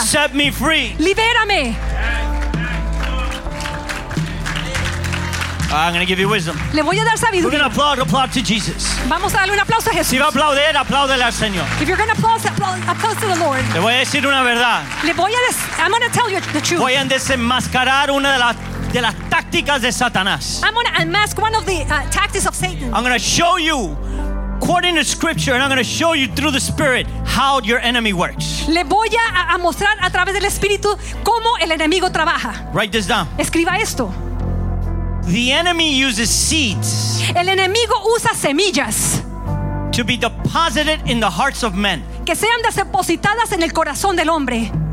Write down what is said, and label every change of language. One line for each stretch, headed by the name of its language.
English: Set me free.
Spanish: Libérame.
English: I'm going to give you wisdom.
Spanish: Le voy a dar sabiduría.
English: We're going to applaud to Jesus.
Spanish: Vamos a darle un aplauso a Jesús. Si va a aplaudir, apláudele al Señor.
English: If you're going to applaud to the Lord.
Spanish: Le voy a decir una verdad.
English: I'm going to tell you the truth.
Spanish: Voy a desenmascarar una de las tácticas de Satanás.
English: I'm going to unmask one of the tactics of Satan. I'm going to show you according to scripture, and I'm going to show you through the spirit how your enemy works.
Spanish: Le voy a mostrar a través del espíritu cómo el enemigo trabaja.
English: Write this down.
Spanish: Escriba esto.
English: The enemy uses seeds.
Spanish: El enemigo usa semillas.
English: To be deposited in the hearts of men.
Spanish: Que sean depositadas en el corazón del hombre.